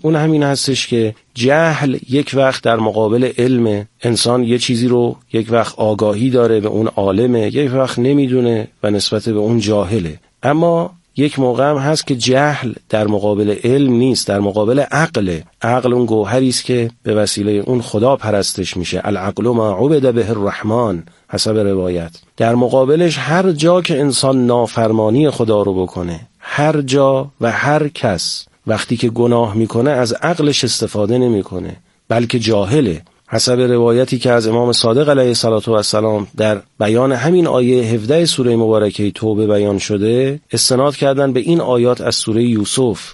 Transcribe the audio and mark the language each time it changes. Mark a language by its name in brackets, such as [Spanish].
[Persian] اون همین هستش که جهل یک وقت در مقابل علم انسان یه چیزی رو یک وقت آگاهی داره به اون عالمه، یک وقت نمیدونه و نسبت به اون جاهله. اما یک موقع هم هست که جهل در مقابل علم نیست، در مقابل عقله. عقل اون گوهری است که به وسیله اون خدا پرستش میشه. [Arabic] العقل ما عبد به الرحمن [Persian] حسب روایت. در مقابلش هر جا که انسان نافرمانی خدا رو بکنه، هر جا و هر کس وقتی که گناه میکنه از عقلش استفاده نمیکنه، بلکه جاهله. حسب روایتی که از امام صادق علیه السلام در بیان همین آیه 17 سوره مبارکه توبه بیان شده، استناد کردن به این آیات از سوره یوسف.